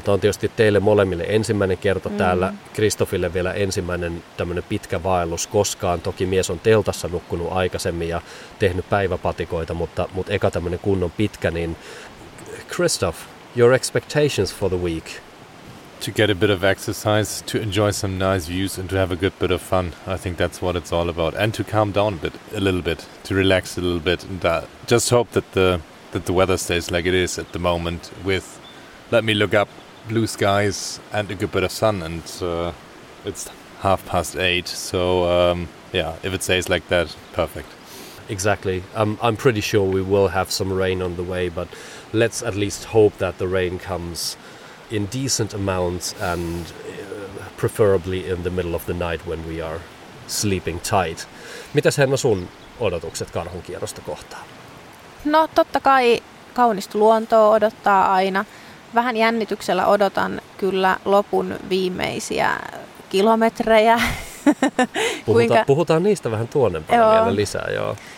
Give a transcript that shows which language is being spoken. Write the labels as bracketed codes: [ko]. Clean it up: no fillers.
[fi] Tämä on tietysti teille molemmille ensimmäinen kerta täällä, Kristofille vielä ensimmäinen tämmöinen pitkä vaellus koskaan. Toki mies on teltassa nukkunut aikaisemmin ja tehnyt päiväpatikoita, mutta eka tämmöinen kunnon pitkä, niin Kristof, [en] your expectations for the week? To get a bit of exercise, to enjoy some nice views and to have a good bit of fun. I think that's what it's all about. And to calm down a little bit, to relax a little bit. And just hope that the weather stays like it is at the moment with, let me look up, blue skies and a good bit of sun. And it's 8:30, so if it stays like that, perfect. Exactly. I'm pretty sure we will have some rain on the way, but let's at least hope that the rain comes in decent amounts and preferably in the middle of the night when we are sleeping tight. [fi] Mitäs Henna sun odotukset karhun kierrosta kohtaan? No totta kai kaunista luontoa odottaa aina. Vähän jännityksellä odotan kyllä lopun viimeisiä kilometrejä. Puhutaan niistä vähän tuonnempana vielä lisää, joo.